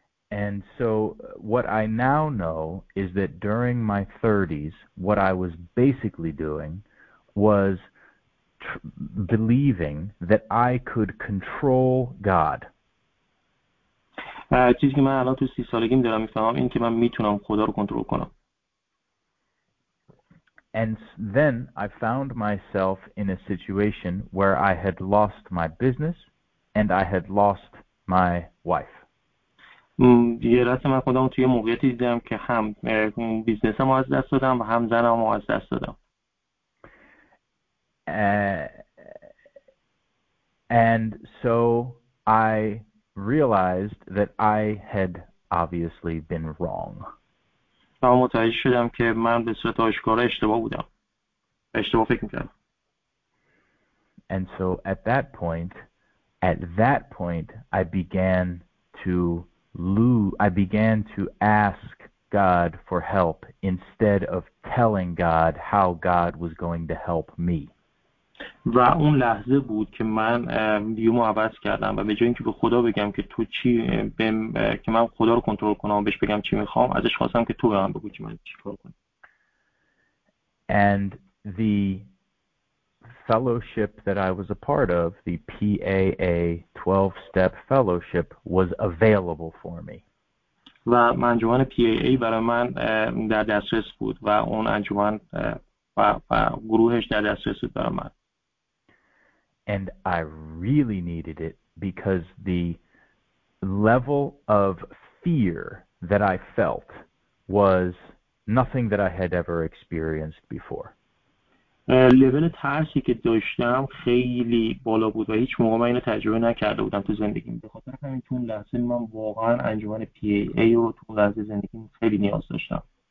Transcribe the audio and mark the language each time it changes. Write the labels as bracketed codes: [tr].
[en] And so what I now know is that during my 30s, what I was basically doing was believing that I could control God. [fa] چیزی که من الان تو 30 سالگیم دارم میفهمم این که من میتونم خدا رو کنترل کنم. [en] And then I found myself in a situation where I had lost my business and I had lost my wife. [fa] یه راست من خودم توی موقعیتی دیدم که هم بیزنسم رو از دست دادم و هم زنم رو از دست دادم. [en] And so I realized that I had obviously been wrong. [fa] من متوجه شدم که من به صورت آشکار اشتباه بودم. اشتباه فکر میکردم. [en] And so at that point I began to ask God for help instead of telling God how God was going to help me. [fa] و اون لحظه بود که من ویومو عوض کردم و به جای اینکه به خدا بگم که تو چی که من خدا رو کنترل کنم و بهش بگم چی میخوام ازش خواستم که تو به من بگو چی من چی کار کنم. [en] And the fellowship that I was a part of, the PAA 12-step fellowship, was available for me. [fa] و انجمن PAA برای من در دسترس بود و اون انجمن و گروهش در دسترس بود برای من. [en] And I really needed it because the level of fear that I felt was nothing that I had ever experienced before. [fa] لول ترسی که داشتم خیلی بالا بود و هیچ موقع من اینو تجربه نکرده بودم تو زندگیم. به خاطر همین تو اون لحظه من واقعا انجمن PAA رو تو لحظه زندگیم خیلی نیاز داشتم.